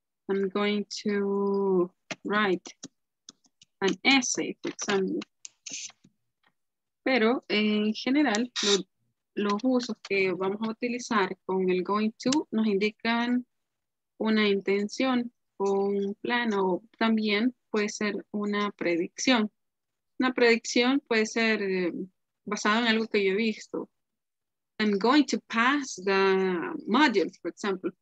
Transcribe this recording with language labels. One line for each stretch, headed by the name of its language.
English: I'm going to write an essay, for example.
Spanish: Pero en general, los usos que vamos a utilizar con el going to nos indican una intención o un plan, o también puede ser una predicción. Una predicción puede ser basada en algo que yo he visto.
English: I'm going to pass the module, for example.